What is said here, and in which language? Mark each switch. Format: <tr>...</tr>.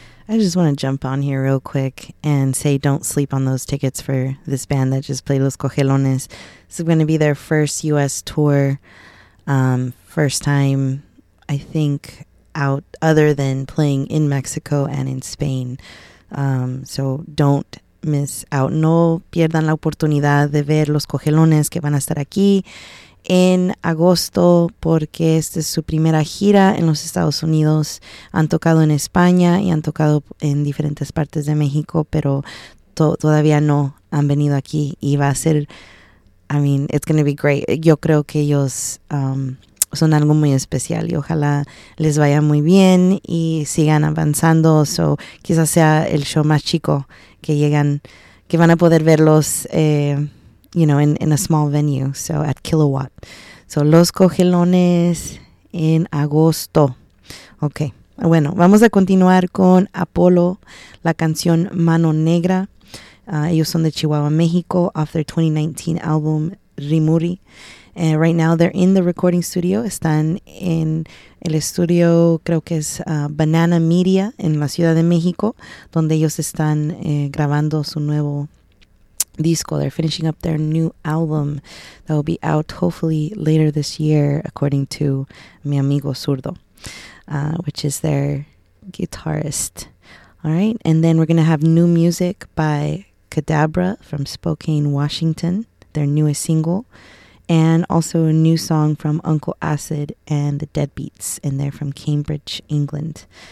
<en>I just want to jump on here real quick and say don't sleep on those tickets for this band that just played Los Cojelones. This is going to be their first U.S. tour. First time, I think, out other than playing in Mexico and in Spain. So don't miss out.</en> <es>No pierdan la oportunidad de ver Los Cojelones que van a estar aquí en agosto, porque esta es su primera gira en los Estados Unidos. Han tocado en España y han tocado en diferentes partes de México, pero todavía no han venido aquí. Y va a ser,</es> <en>I mean, it's going to be great.</en> <es>Yo creo que ellos son algo muy especial y ojalá les vaya muy bien y sigan avanzando. So, quizás sea el show más chico que llegan, que van a poder verlos.</es> <en>You know, in a small venue, so at Kilowatt.</en> <es>So, Los Cojelones en agosto. Okay, bueno, vamos a continuar con Apolo, la canción Mano Negra. Ellos son de Chihuahua, México,</es> <en>off their 2019 album</en> <es>Rimuri.</es> <en>And right now they're in the recording studio.</en> <es>Están en el estudio, creo que es Banana Media, en la Ciudad de México, donde ellos están grabando su nuevo disco.</es> <en>They're finishing up their new album that will be out hopefully later this year, according to Mi Amigo Zurdo, which is their guitarist. All right, and then we're going to have new music by Kadabra from Spokane, Washington, their newest single, and also a new song from Uncle Acid and the Deadbeats, and they're from Cambridge, England.</en>